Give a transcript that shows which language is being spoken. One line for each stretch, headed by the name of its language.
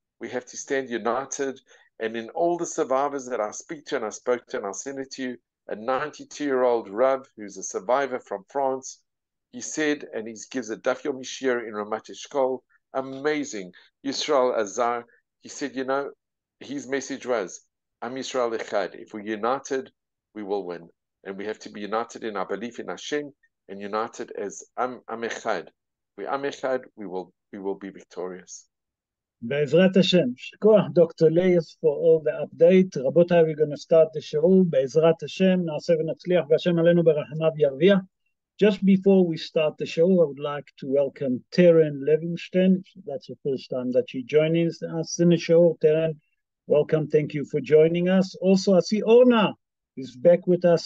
English: We have to stand united. And in all the survivors that I speak to and I spoke to and I'll send it to you, a 92-year-old Rav who's a survivor from France, he said, and he gives a Daf Yomi Shir in Ramat Eshkol, amazing, Yisrael Azar. He said, you know, his message was, "I'm Yisrael Echad. If we're united, we will win. And we have to be united in our belief in Hashem and united as Am Echad. We Am Echad, we will be victorious."
Hebrew: בעזרת השם, שכוח דוקטור לייס
English: for all the update.
Hebrew: רבותיי,
English: we're going to start the show.
Hebrew: בעזרת השם, נעשה ונצליח, והשם עלינו ברחמיו ירוויה.
English: Just before we start the show, I would like to welcome Taryn Levinstein. That's the first time that she joins us in the show. Taryn, welcome. Thank you for joining us. Also, I see Orna is back with us.